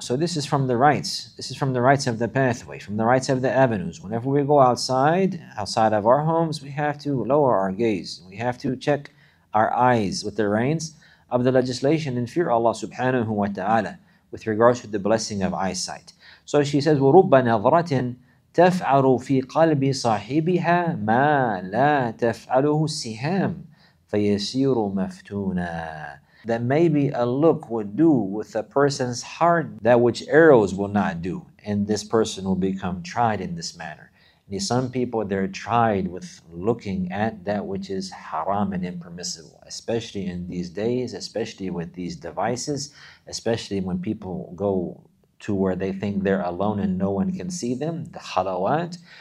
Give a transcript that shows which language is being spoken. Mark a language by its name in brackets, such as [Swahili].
[English] So this is from the rights. This is from the rights of the pathway, from the rights of the avenues. Whenever we go outside of our homes, we have to lower our gaze. We have to check our eyes with the reins of the legislation and fear Allah subhanahu wa ta'ala with regards to the blessing of eyesight. So she says, [Arabic] وَرُبَّ نَظْرَةٍ تَفْعَلُ فِي قَلْبِ صَاحِبِهَا مَا لَا تَفْعَلُهُ السِّهَامُ فَيَسِيرُ مَفْتُونًا. [English] That maybe a look would do with a person's heart that which arrows will not do. And this person will become tried in this manner. Some people, they're tried with looking at that which is haram and impermissible, especially in these days, especially with these devices, especially when people go to where they think they're alone and no one can see them, the halawat.